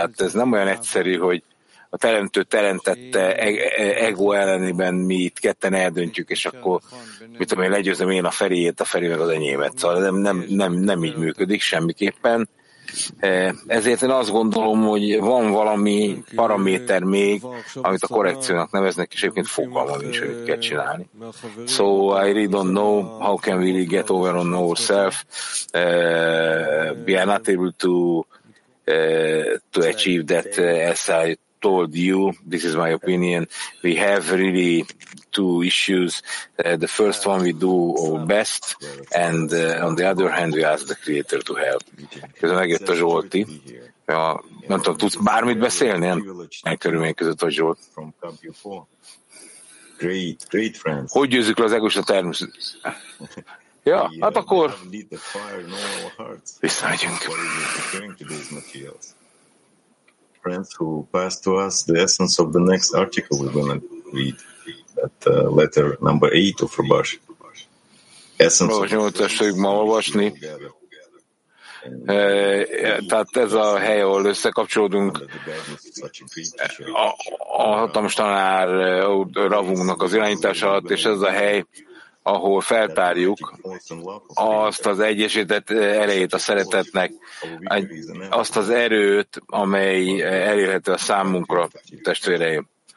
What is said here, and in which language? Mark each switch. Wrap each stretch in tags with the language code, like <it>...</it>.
<hu>Tehát ez nem olyan egyszerű, hogy a teremtő teremtette ego ellenében mi itt ketten eldöntjük, és akkor mit tudom, hogy legyőzöm én a Feriét, a Feri meg az enyémet. Szóval nem így működik semmiképpen. Ezért én azt gondolom, hogy van valami paraméter még, amit a korrekciónak neveznek, és egyébként fogalma nincs, hogy mit kell csinálni.</hu> <en>So I really don't know how can we really get over on ourselves. We are not able to achieve that as I told you. This is my opinion. We have really two issues. The first one, we do our best, and on the other hand, we ask the Creator to help.</en> <hu>Közben megjött a Zsolti. Ja, nem tudom, tudsz bármit beszélni? Nem? Egy körülmény között a Zsolt.</hu> <en>Great friends.</en> <hu>Hogy győzzük le az egoista természet? Ja, hát akkor visszamegyünk.</hu> <en>Friends who passed to us the essence of the next article we're going to read, that letter number 8 of Rabash. Essence of the next article we're going to read.</en> <hu>Tehát ez a hely, ahol összekapcsolódunk a hatalmas tanár Ravunknak az irányítása alatt, és ez a hely, ahol feltárjuk azt az egyesített erejét a szeretetnek, azt az erőt, amely elérhető a számunkra, testvéreim.</hu>